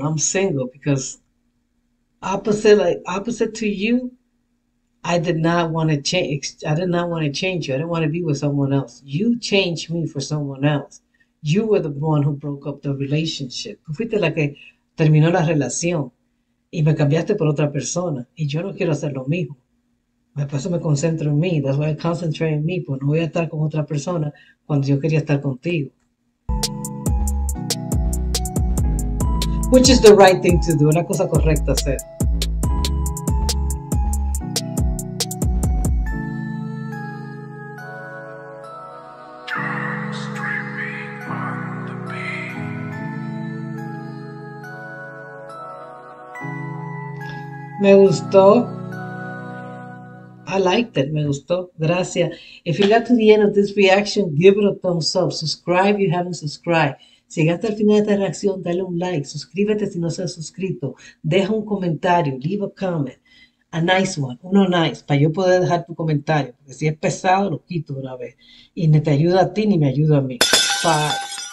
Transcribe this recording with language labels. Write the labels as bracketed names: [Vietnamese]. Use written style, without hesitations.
[English] I'm single because opposite to you, I did not want to change. I did not want to change you. I didn't want to be with someone else. You changed me for someone else. You were the one who broke up the relationship. [Spanish] Tú fuiste la que terminó la relación y me cambiaste por otra persona. Y yo no quiero hacer lo mismo. Por eso me concentro en mí. [English] That's why I concentrate in me. [Spanish] Pues no voy a estar con otra persona cuando yo quería estar contigo. [English] Which is the right thing to do, [Spanish] una cosa correcta hacer. Me gustó. [English] I liked it, [Spanish] me gustó. Gracias. [English] If you got to the end of this reaction, give it a thumbs up. Subscribe if you haven't subscribed. [Spanish] Si llegaste al final de esta reacción, dale un like. Suscríbete si no se ha suscrito. Deja un comentario. [English] Leave a comment. A nice one. [Spanish] Uno nice. Para yo poder dejar tu comentario. Porque si es pesado, lo quito una vez. Y ni te ayuda a ti ni me ayuda a mí. Bye.